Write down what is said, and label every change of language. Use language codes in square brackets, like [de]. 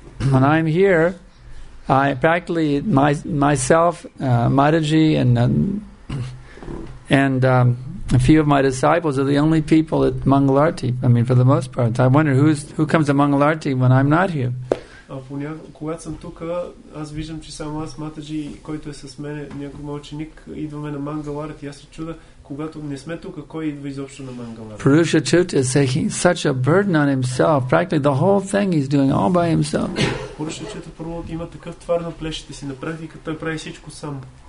[en] When I'm here, I practically myself, Mataji and a few of my disciples are the only people at Mangalarti. I mean, for the most part, I wonder who comes to Mangalarti when I'm not here. [bg] Когато съм тук, аз виждам, че само аз, Матаджи, който е с мен, някой мой ученик, идваме на Мангаларти. Аз се чуда, когато не сме тук, кой идва изобщо на Мангаларти? [en] Purusha Tuja is taking such a burden on himself. Practically the whole thing he's doing all by himself. [bg] Purusha Tuja първо има такъв твар на плещите си. На практика той прави всичко сам.